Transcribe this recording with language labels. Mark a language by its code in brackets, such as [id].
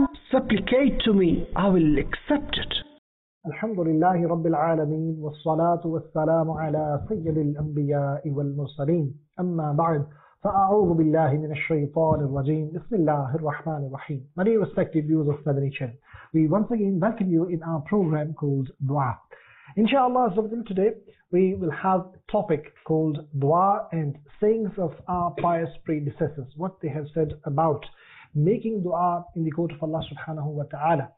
[en] Supplicate to me, I will accept it. [ar] الحمد لله رب العالمين والصلاة والسلام على سيد الأنبياء والمرسلين أما بعد فأعوذ بالله من الشيطان الرجيم بسم الله الرحمن الرحيم. [en] My dear respected viewers of Sadri Channel, we once again welcome you in our program called Dua. Inshallah, today we will have a topic called Dua and sayings of our pious predecessors, what they have said about making dua in the court of Allah subhanahu wa ta'ala.